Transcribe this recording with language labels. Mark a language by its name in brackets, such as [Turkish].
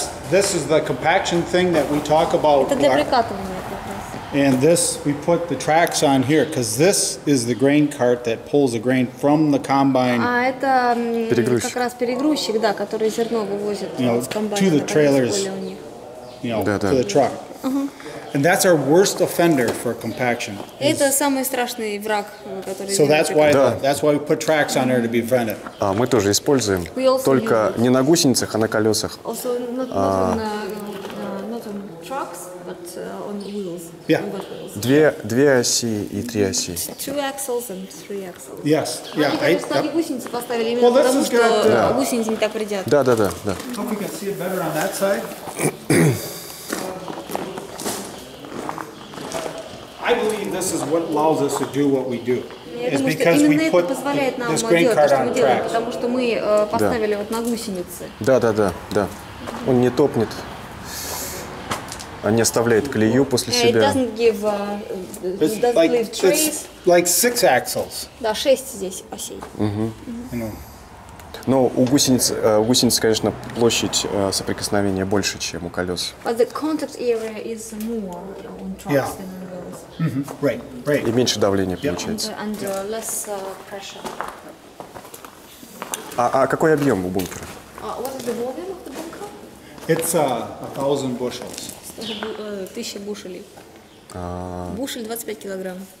[English] This is the compaction thing that we talk about. [Russian] Это для прикатывания. [English] And this, we put the tracks on here, because this is the grain cart that pulls the grain from the combine. [Russian] А это как раз перегрузчик, да, который зерно вывозит с комбайна. [English] To the trailers. To the truck. And that's our worst offender for compaction. [Russian] Это самый страшный враг, [English] So that's why we put tracks on there to be prevented. [Russian] А мы тоже используем, только не на гусеницах, а на колесах. [English] Also not on trucks, but on wheels. Yeah. [Russian] Две оси и три оси. [English] Two axles and three axles. Yes. Yeah. [Russian] Они просто не гусеницы поставили именно потому, что гусеницы не так вредят. Да. [English] Hope you can see it better on that side. I believe this is what allows us to do what we do. Is because we put this grain cart on track. [Russian] Потому что мы поставили вот на гусеницы. Да. Он не топнет. Он не оставляет клею после себя. [English] It doesn't give trace. It's like six axles. [Russian] Да, шесть здесь осей. Но у гусениц, конечно, площадь соприкосновения больше, чем у колес. [English] But the contact area is more on trucks than on wheels. Right. [Russian] И меньше давления получается. [English] And less pressure. [Russian] А какой объем у бункера? [English] What is the volume of the bunker? It's 1,000 bushels. [Russian] 1000 бушелей. Бушель 25 килограмм.